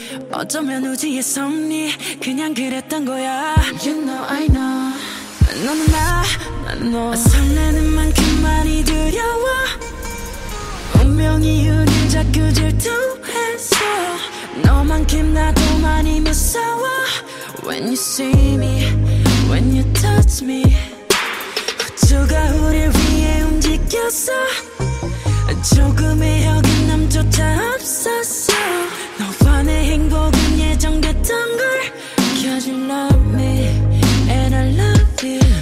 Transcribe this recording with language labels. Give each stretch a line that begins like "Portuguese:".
Korean: 어쩌면 우주의 섭리 그냥 그랬던 거야.
English: You know I know
Korean: 너는 나 난 너 설레는 만큼 많이 두려워. 운명이 우릴 자꾸 질투했어. 너만큼 나도 많이 무서워.
English: When you see me, when you touch me,
Korean: 우주가 우릴 위해 움직였어. 조금의 여긴 남조차 없었어. 너와 내 행복은 예정됐던 걸.
English: 'Cause you love me and I love you.